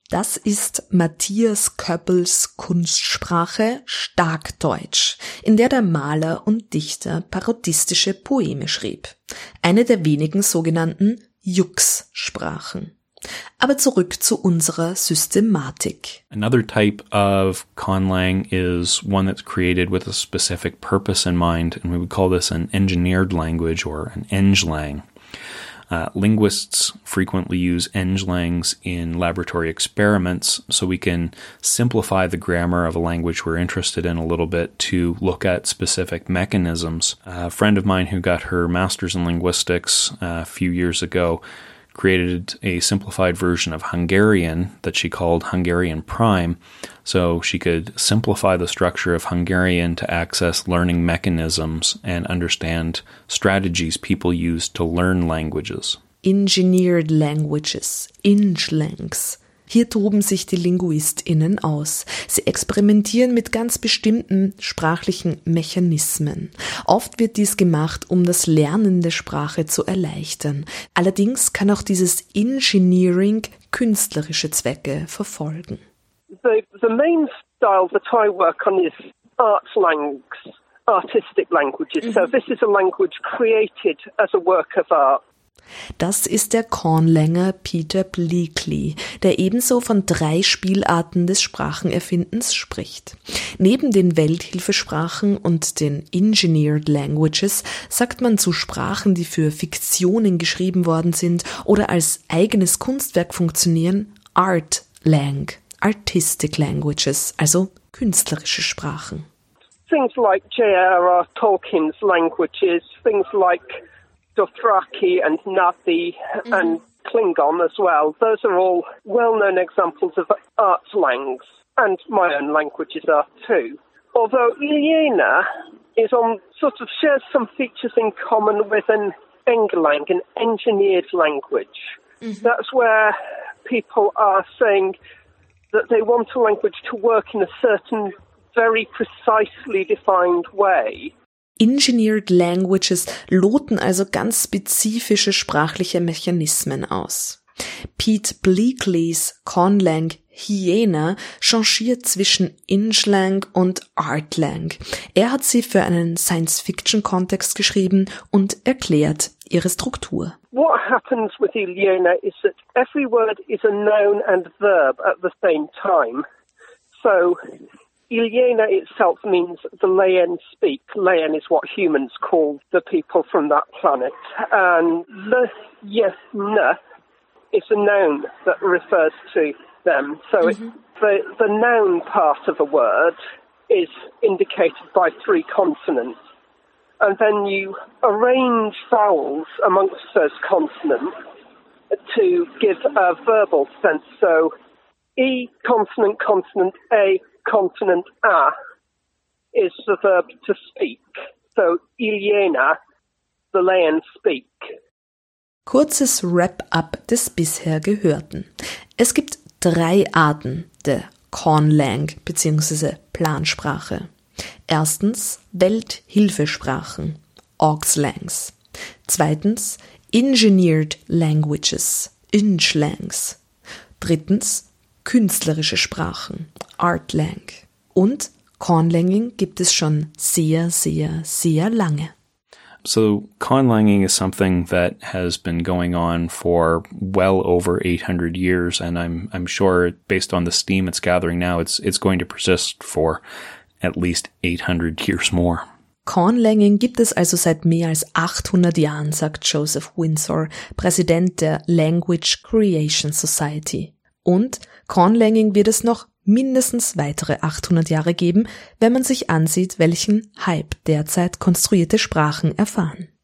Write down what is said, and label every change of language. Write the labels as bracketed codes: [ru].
[de] Das ist Matthias Köppels Kunstsprache Starkdeutsch, in der der Maler und Dichter parodistische Poeme schrieb. Eine der wenigen sogenannten Jux-Sprachen. Aber zurück zu unserer Systematik. [en] Another type of conlang is one that's created with a specific purpose in mind, and we would call this an engineered language or an englang. Linguists frequently use englangs in laboratory experiments, so we can simplify the grammar of a language we're interested in a little bit to look at specific mechanisms. A friend of mine who got her master's in linguistics a few years ago created a simplified version of Hungarian that she called Hungarian Prime, so she could simplify the structure of Hungarian to access learning mechanisms and understand strategies people use to learn languages. Engineered languages, Inchlangs. [de] Hier toben sich die LinguistInnen aus. Sie experimentieren mit ganz bestimmten sprachlichen Mechanismen. Oft wird dies gemacht, um das Lernen der Sprache zu erleichtern. Allerdings kann auch dieses Engineering künstlerische Zwecke verfolgen. [en] The main style that I work on is Artlangs, artistic languages. So this is a language created as a work of art. [de] Das ist der Kornlänger Peter Bleakley, der ebenso von drei Spielarten des Sprachenerfindens spricht. Neben den Welthilfesprachen und den Engineered Languages sagt man zu Sprachen, die für Fiktionen geschrieben worden sind oder als eigenes Kunstwerk funktionieren, Art Lang, Artistic Languages, also künstlerische Sprachen. [en] Things like J.R.R. Tolkien's Languages, things like Dothraki and Nathi and Klingon as well. Those are all well-known examples of art langs, and my own languages are too. Although Liena is on, sort of shares some features in common with an Englang, an engineered language. That's where people are saying that they want a language to work in a certain, very precisely defined way. [de] Engineered Languages loten also ganz spezifische sprachliche Mechanismen aus. Pete Bleakleys Kornlang Hyena changiert zwischen Inchlang und Artlang. Er hat sie für einen Science-Fiction-Kontext geschrieben und erklärt ihre Struktur. [en] What happens with Hyena is that every word is a noun and verb at the same time. So Iliena itself means the Leyen speak. Leyen is what humans call the people from that planet. And Leyena is a noun that refers to them. So the noun part of a word is indicated by three consonants. And then you arrange vowels amongst those consonants to give a verbal sense. So E, consonant, consonant, A, consonant A is the verb to speak. So, Iliena, the Leyen speak. [de] Kurzes Wrap-up des bisher Gehörten. Es gibt drei Arten der Kornlang bzw. Plansprache. Erstens Welthilfesprachen, Auxlangs. Zweitens Engineered Languages, Inchlangs. Drittens künstlerische Sprachen, Artlang. Und Kornlanging gibt es schon sehr, sehr, sehr lange. [en] So Kornlanging is something that has been going on for well over 800 years, and I'm sure based on the steam it's gathering now, it's going to persist for at least 800 years more. [de] Kornlanging gibt es also seit mehr als 800 Jahren, sagt Joseph Windsor, Präsident der Language Creation Society. Und Kornlanging wird es noch mindestens weitere 800 Jahre geben, wenn man sich ansieht, welchen Hype derzeit konstruierte Sprachen erfahren.